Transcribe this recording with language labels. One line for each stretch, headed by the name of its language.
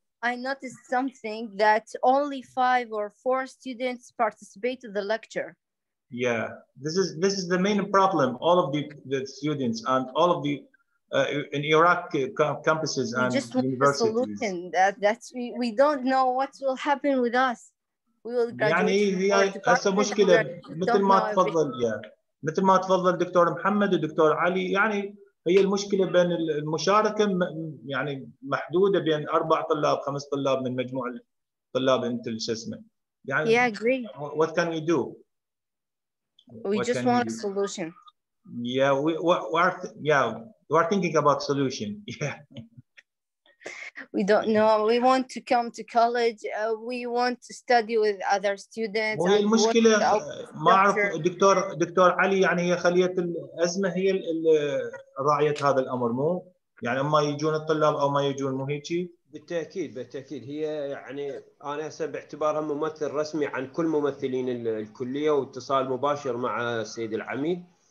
English: I noticed something that only 5 or 4 students participate in the lecture. Yeah, this is the main problem. All of the students and all of the in Iraq campuses and universities. Just the solution that we don't know what will happen with us. We will graduate.
Arabic: يعني هي هسه مشكلة مثل ما تفضل يا مثل ما تفضل دكتور محمد ودكتور علي، يعني هي المشكلة بين المشاركة يعني محدودة بين 4 طلاب 5 طلاب من مجموع الطلاب انت شو اسمه يعني.
English: Yeah, agree. What can we do? We just want a solution. Yeah, we are thinking about solution. Yeah. We don't know. We want to come to college. We want to study with other students.
Arabic: هو المشكلة ما أعرف دكتور علي، يعني هي خلية الأزمة هي الرعاية هذا الأمر مو يعني أما يجون الطلاب أو ما يجون مو هيجي. بالتأكيد هي يعني أنا هسه باعتبارها ممثل رسمي عن كل ممثلين الكلية واتصال مباشر مع السيد العميد.